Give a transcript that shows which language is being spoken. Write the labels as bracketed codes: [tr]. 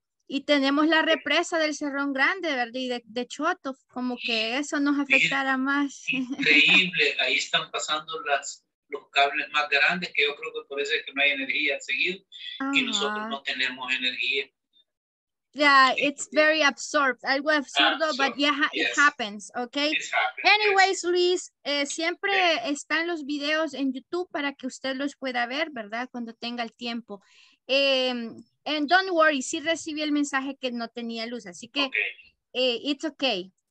[es] Y tenemos la represa del Cerrón Grande, ¿verdad? Y de Choto, como que eso nos afectara más. Increíble, ahí están pasando los cables más grandes, que yo creo que por eso es que no hay energía seguido. Ajá. Y nosotros no tenemos energía. [en] Yeah, it's very absurd, [es] algo absurdo, [en] but yeah, yes. It happens, okay? [es] Anyways, Luis, siempre están los videos en YouTube para que usted los pueda ver, ¿verdad? Cuando tenga el tiempo. [en] And don't worry, [es] sí recibí el mensaje que no tenía luz, así que okay. [en] It's okay.